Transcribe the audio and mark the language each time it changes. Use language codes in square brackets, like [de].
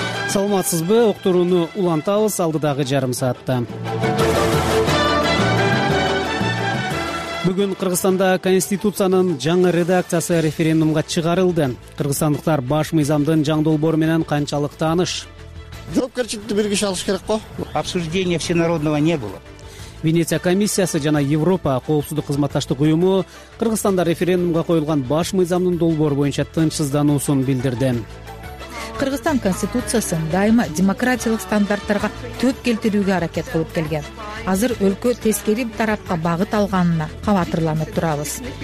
[ky] Саламатсызбы? Уктурууну улантабыз алдыдагы жарым саатта. Бүгүн Кыргызстанда конституциянын жаңы редакциясы референдумга чыгарылды. Кыргызстандыктар баш мыйзамдын жаңы долбоору менен канчалык тааныш? Жоопкерчиликти бир киши алыш керек го. [ru] Обсуждения всенародного не было. [ky] Венеция комиссиясы жана Европа коопсуздук кызматташтык уюму Кыргызстанда референдумга коюлган баш мыйзамдын долбоору боюнча тынчсыздануусун билдирди. Кыргызстан конституциясын дайыма демократиялык стандарттарга төп келтирүүгө аракет кылып келген. Азыр өлкө тескери тарапка багыт алганына кабатырланып турабыз.